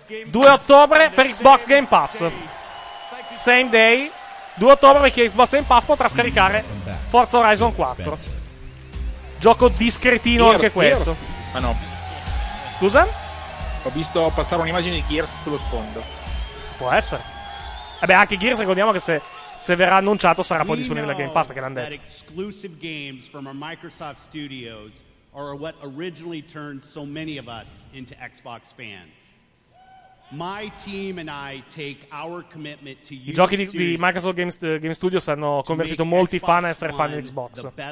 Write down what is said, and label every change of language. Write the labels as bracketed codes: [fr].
[it] 2 ottobre per Xbox Game Pass. [en] Same day, [it] 2 ottobre per chi ha Xbox Game Pass potrà scaricare Forza Horizon 4. Gioco discretino anche questo. Ah no. Scusa? Ho visto passare un'immagine di Gears sullo sfondo. Può essere. Vabbè, anche Gears, ricordiamo che se verrà annunciato sarà poi disponibile a Game Pass, perché l'hanno detto. [en] Exclusive games from our Microsoft studios are what originally turned so many of us into Xbox fans. My team and I take our commitment to [it] I giochi di Microsoft Game Studios hanno convertito molti fan a essere fan di Xbox.